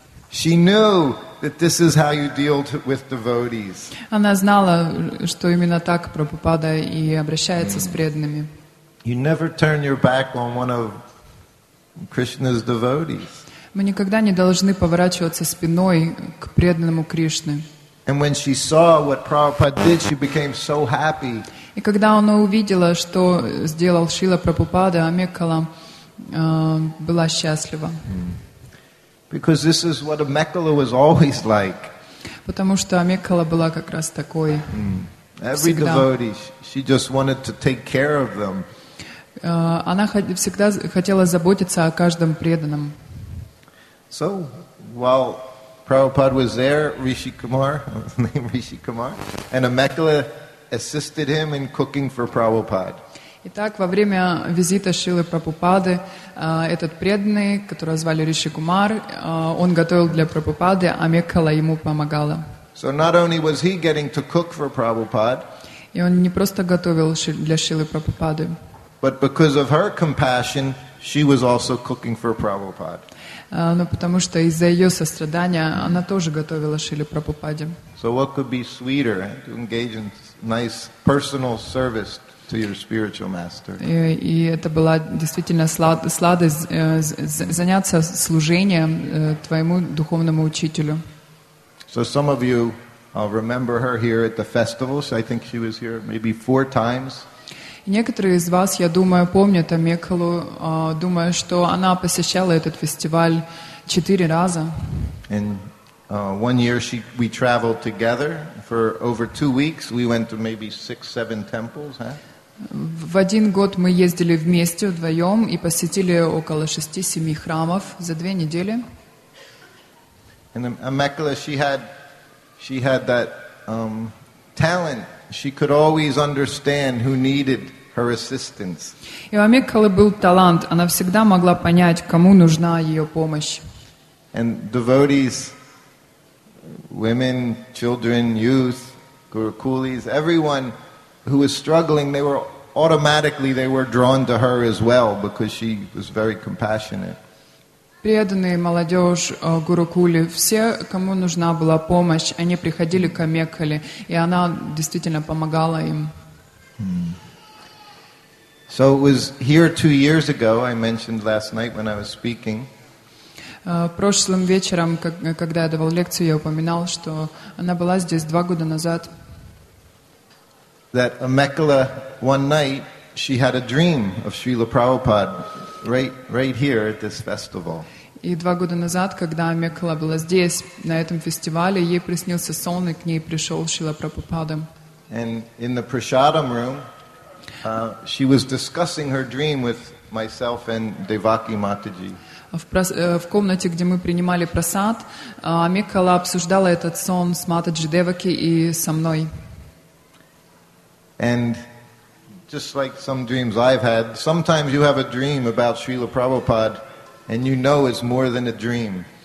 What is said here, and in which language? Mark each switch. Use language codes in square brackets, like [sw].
[en] She knew that this is how you deal with devotees. [ru] Она знала, что именно так Прабхупада и обращается с преданными. [en] You never turn your back on one of Krishna's devotees. [ru] Мы никогда не должны поворачиваться спиной к преданному Кришне. [en] And when she saw what Prabhupada did, she became so happy. [ru] И когда она увидела, что сделал Шрила Прабхупада, Мекала была счастлива. [en] Because this is what a Mekkala was always like. [ru] Потому что Мекала была как раз такой. [en] Every devotee, she just wanted to take care of them. [ru] Она всегда хотела заботиться о каждом преданном. [en] So while Prabhupada was there, Rishi Kumar, Rishi Kumar, and a Mekkala assisted him in cooking for Prabhupada. [ru] Итак, во время визита Шрилы Прабхупады этот преданный, которого звали Риши Кумар, он готовил для Прабхупады, а Меккала ему помогала. [en] So not only was he getting to cook for Prabhupada, [ru] и он не просто готовил для Шрилы Прабхупады, [en] but because of her compassion, she was also cooking for Prabhupada. [ru] Но потому что из-за ее сострадания она тоже готовила Шриле Прабхупаде. [en] So what could be sweeter to engage in nice personal service to your spiritual master? [ru] И это была действительно сладость заняться служением твоему духовному учителю. [en] So some of you remember her here at the festival. So I think she was here maybe 4 times. [ru] Некоторые из вас, я думаю, помнят о Меккалу, думаю, что она посещала этот фестиваль 4 раза. [en] And one year we traveled together for over 2 weeks. We went to maybe 6-7 temples, huh? [ru] В один год мы ездили вместе вдвоем и посетили около 6-7 храмов за 2 недели. [en] And Меккала, she had that talent. She could always understand who needed her assistance. [ru] И у Меккалы был талант. Она всегда могла понять, кому нужна ее помощь. [en] And devotees, women, children, youth, gurukulis, everyone who was struggling, they were drawn to her as well because she was very compassionate. [ru] Преданные, молодежь, гурукули, все, кому нужна была помощь, они приходили к Меккале, и она действительно помогала им. [en] So it was here 2 years ago, I mentioned last night when I was speaking. [ru] Прошлым вечером, когда я давал лекцию, я упоминал, что она была здесь 2 года назад. [en] That Меккала, one night, she had a dream of Srila Prabhupada right here at this festival. [ru] И 2 года назад, когда Меккала была здесь, на этом фестивале, ей приснился сон, и к ней пришел Шрила Прабхупада. [en] And in the prasadam room, she was discussing her dream with myself and Devaki Mataji. [ru] В комнате, где мы принимали прасад, Меккала обсуждала этот сон с Матаджи Деваки и со мной. [en] And just like some dreams I've had, sometimes you have a dream about Srila Prabhupada, and you know it's more than a dream.